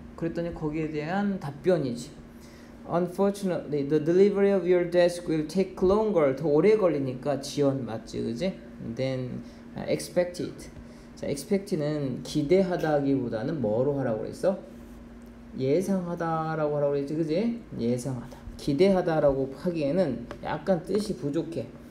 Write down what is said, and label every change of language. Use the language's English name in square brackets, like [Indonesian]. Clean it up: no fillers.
[Korean] 그랬더니 거기에 대한 답변이지. [English] Unfortunately, the delivery of your desk will take longer. [Korean] 더 오래 걸리니까 지연 맞지, 그지? [English] Then expected. [Korean] 자, expected는 기대하다기보다는 뭐로 하라고 그랬어? 예상하다라고 하라고 그랬지, 그지? 예상하다. 기대하다라고 하기에는 약간 뜻이 부족해.